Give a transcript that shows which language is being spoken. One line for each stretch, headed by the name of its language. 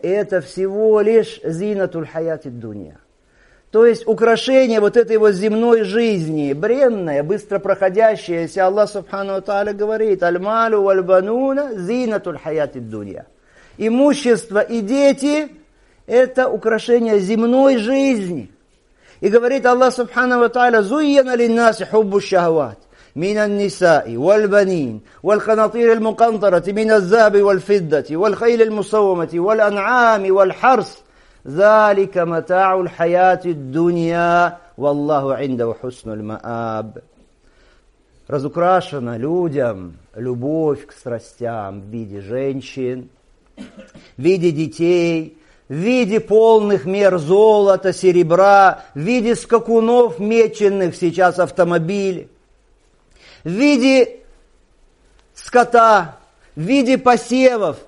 Russian: Это всего лишь
Arabic: зинатул хаяти дунья.
Russian: То есть украшение вот этой вот земной жизни, бренное, быстро проходящееся. Аллах Субхану ва Тааля говорит:
Arabic: «Аль-малю валь-бануна зинатул хаяти дунья».
Russian: Имущество и дети – это украшение земной жизни. И говорит Аллах Субхану ва Тааля:
Arabic: «Зуйяна линнаси хуббу шахват». من النساء والبنين والقناطير المقنطرة من الذهب والفضة والخيل المسومة والأنعام والحرث ذلك متاع الحياة الدنيا والله عنده حسن المآب.
Russian: Разукрашена людям любовь к страстям в виде женщин, в виде детей, в виде полных мер золота, серебра, в виде скакунов, меченных сейчас автомобилей, в виде скота, в виде посевов.